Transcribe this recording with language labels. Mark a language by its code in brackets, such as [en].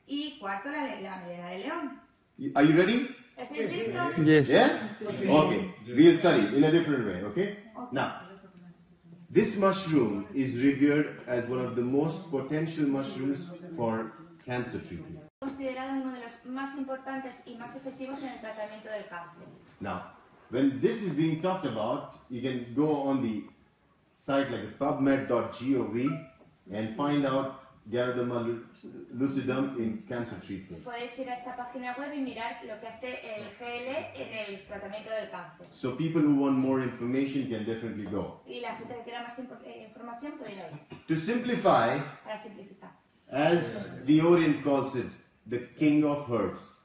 [es] Y cuarto, la melena de león. [en] Are you ready? [es] ¿Estáis listos? [en] Yes. Yeah? Okay. We'll study in a different way, okay? Now, this mushroom is revered as one of the most potential mushrooms for cancer treatment. [es] Considerado uno de los más importantes y más efectivos en el tratamiento del cáncer. [en] Now, when this is being talked about, you can go on the site like PubMed.gov and find out Ganoderma lucidum in cancer treatment. [es] Podéis ir a esta página web y mirar lo que hace el GL en el tratamiento del cáncer. [en] So people who want more information can definitely go. [es] Y la gente que quiera más información puede ir ahí. [en] To simplify, [es] para simplificar, [en] as the Orient calls it, the king of herbs.